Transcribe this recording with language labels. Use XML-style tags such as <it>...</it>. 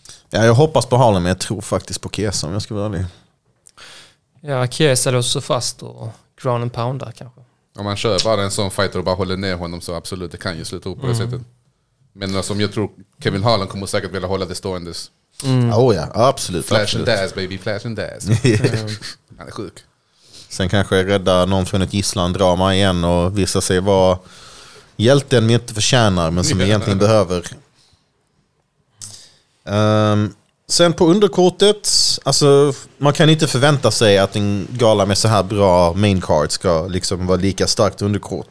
<sv>Ja, jag hoppas på Harlem, men jag tror faktiskt på Kesa om jag ska vara ärlig. Ja, Kesa låser fast och ground and pounder kanske. Om man kör bara en sån fighter och bara håller ner honom så absolut, det kan ju sluta upp på det sättet. Men som alltså, jag tror Kevin Haaland kommer säkert vilja hålla det ståendes. Mm. Oh ja, absolut.</sv> <en>Flash and dash baby, flash and dash.</en> <sv>Han är sjuk. Sen kanske jag rädda någon från ett gisslandrama igen och visa sig vara hjälten vi inte förtjänar men som egentligen behöver. Sen på underkortet, alltså man kan inte förvänta sig att en gala med så här bra main card ska liksom vara lika starkt underkort.</sv>